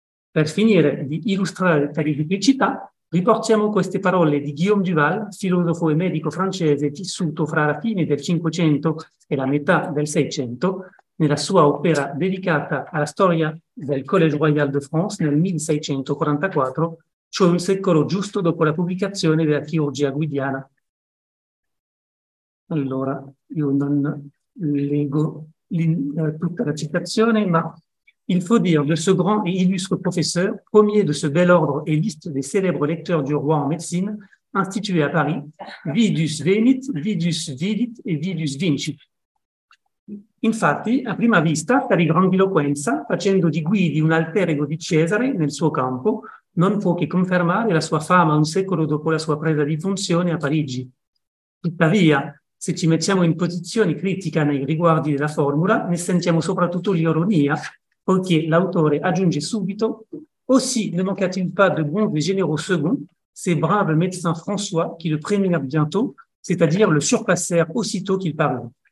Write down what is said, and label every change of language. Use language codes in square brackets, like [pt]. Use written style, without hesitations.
[it] Per finire di illustrare tale criticità, riportiamo queste parole di Guillaume Duval, filosofo e medico francese vissuto fra la fine del Cinquecento e la metà del Seicento, nella sua opera dedicata alla storia del Collège Royal de France nel 1644, cioè un secolo giusto dopo la pubblicazione della chirurgia guidiana. Allora, io non leggo tutta la citazione, ma [fr] il faut dire de ce grand et illustre professeur, premier de ce bel ordre et liste des célèbres lecteurs du roi en médecine, institué à Paris, [la] vidus venit, vidus vidit et vidus vincit. [it] Infatti, a prima vista, per grandiloquenza, facendo di Guidi un alter ego di Cesare nel suo campo, non può che confermare la sua fama un secolo dopo la sua presa di funzione a Parigi. Tuttavia, se ci mettiamo in posizione critica nei riguardi della formula, ne sentiamo soprattutto l'ironia, poiché l'autore aggiunge subito: [fr] «Aussi ne manqua-t-il pas de bons et généreux seconds, ces braves médecins François qui le premièrent bientôt, c'est-à-dire le surpassèrent aussitôt qu'il parut».